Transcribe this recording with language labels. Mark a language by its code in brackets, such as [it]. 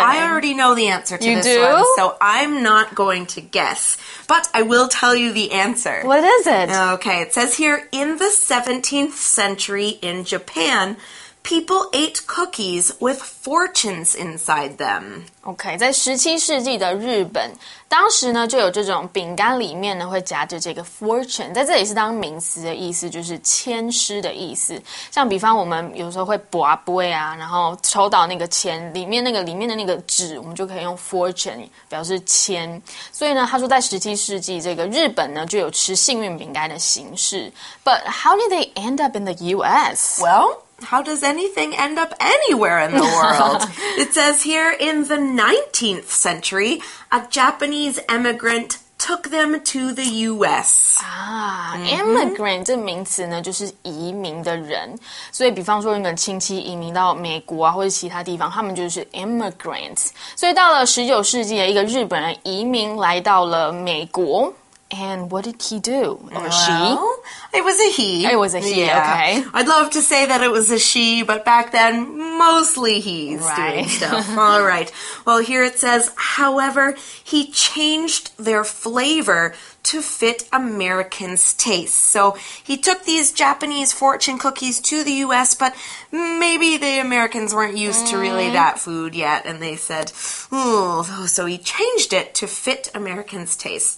[en] I already know the answer to you this do? One, so I'm not going to guess. But I will tell you the answer. What is it? Okay, it says here, in the 17th century in Japan... People ate cookies with fortunes inside them. [zh] Okay, 在十七世纪的日本，当时呢就有这种饼干里面呢会夹着这个 fortune， 在这里是当名词的意思，就是签诗的意思。像比方我们有时候会卜杯啊，然后抽到那个签里面的那个纸，我们就可以用 fortune 表示签。所以呢，他说在十七世纪这个日本呢就有吃幸运饼干的形式。 [en] But how did they end up in the U.S.? Well. How does anything end up anywhere in the world? It says here, in the 19th century, a Japanese emigrant took them to the U.S. [zh] Emigrant 这名词呢就是移民的人。所以比方说你的亲戚移民到美国啊或者其他地方他们就是 immigrant。所以到了19世纪的一个日本人移民来到了美国。 [en] And what did he do? Or well, she? It was a he, yeah. Okay. I'd love to say that it was a she, but back then, mostly he's doing stuff. All right. Well, here it says, however, he changed their flavor to fit Americans' tastes. So he took these Japanese fortune cookies to the U.S., but maybe the Americans weren't used to really that food yet, and they said, oh, so he changed it to fit Americans' tastes.